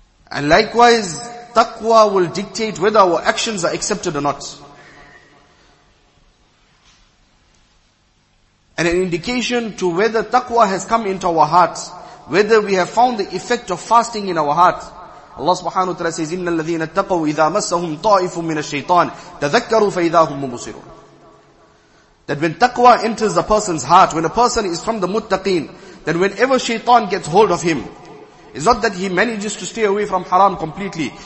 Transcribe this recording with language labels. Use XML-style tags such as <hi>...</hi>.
<en>And likewise, taqwa will dictate whether our actions are accepted or not. And an indication to whether taqwa has come into our hearts, whether we have found the effect of fasting in our heart. Allah subhanahu wa ta'ala says,</en> <ar>إِنَّ الَّذِينَ اتَّقَوْا إِذَا مَسَّهُمْ طَائِفٌ مِّنَ الشَّيْطَانِ تَذَكَّرُوا فَإِذَا هُمْ مُبْصِرُونَ.</ar> <en>That when taqwa enters a person's heart, when a person is from the muttaqeen, then whenever shaitan gets hold of him, it's not that he manages to stay away from haram completely.</en>